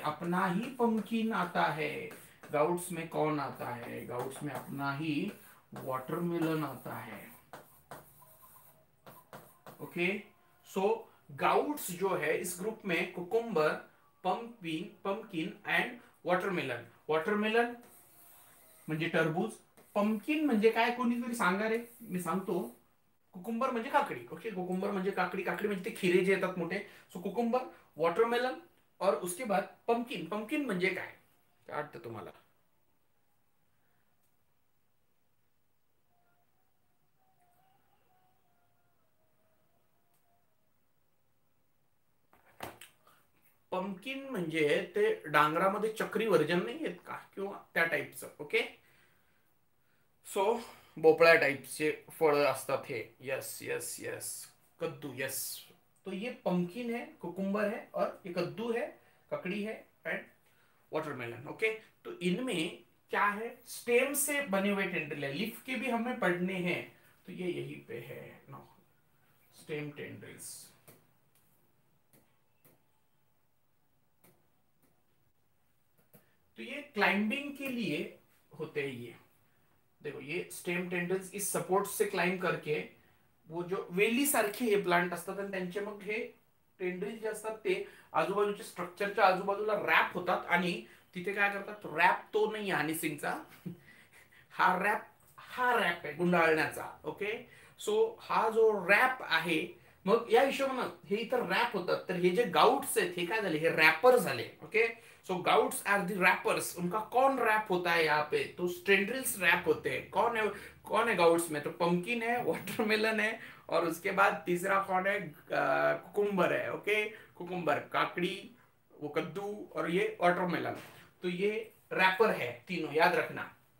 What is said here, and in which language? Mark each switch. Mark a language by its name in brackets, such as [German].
[Hindi] अपना ही पंकिन आता है। गाउट्स में कौन आता है? गाउट्स में अपना ही वाटरमेलन आता है, ओके। सो गाउट्स जो है इस ग्रुप में cucumber, pumpkin and watermelon. [Marathi] Watermelon म्हणजे टरबूज, पंपकिन म्हणजे काय कोणी तरी सांगा रे, मी सांगतो, कुकुम्बर म्हणजे काकडी, ओके। कुकुम्बर म्हणजे काकडी, काकडी म्हणजे ते खिरे जे येतात मोठे, सो कुकुम्बर, वॉटरमेलन [Hindi] और उसके बाद पंपकिन। [Marathi] पंपकिन म्हणजे काय, काय वाटतं तुम्हाला? पम्पकिन म्हणजे ते डांगरामध्ये चक्री वर्जन नाही आहेत का, किंवा त्या टाईपचं, ओके। सो भोपळा टाईपचे फळ असतात हे, यस यस यस, कद्दू, यस। [Hindi] तो ये पम्पकिन है, कुकुम्बर है, और ये कद्दू है, ककड़ी है एंड वाटरमेलन, ओके। तो इनमें क्या है, स्टेम से बने हुए टेंड्रिल है, लीफ के भी हमें पढ़ने हैं, तो ये यहीं पे है नो स्टेम टेंड्रिल्स। तो ये क्लाइंबिंग के लिए होते हैं, ये देखो ये स्टेम टेंडल्स इस सपोर्ट से क्लाइंब करके, [Marathi] वो जो वेली सारखी ये प्लांट असतात आणि त्यांचे मग हे टेंडल्स जे असतात ते आजूबाजूच्या स्ट्रक्चरच्या आजूबाजूला रॅप होतात, आणि तिथे काय करतात, रॅप तो नाही हनीसिंगचा, हा रॅप आहे गुंडाळण्याचा, ओके। सो हा जो रॅप आहे, मग या हिशोबानं हे इथं रॅप होतात, तर हे जे गाउट्स आहेत हे काय झाले, हे रॅपर झाले, okay. [Hindi] So गाउट्स are the rappers, उनका कौन रैप होता है यहाँ पे, तो स्टेंड्रिल्स रैप होते हैं। कौन है गाउट्स में, तो पंकिन है, वाटरमेलन है, और उसके बाद तीसरा कौन है, कुकुम्बर है, ओके। कुकुम्बर, काकड़ी, वो कद्दू और ये वाटरमेलन, तो ये रैपर है तीनों, याद रखना।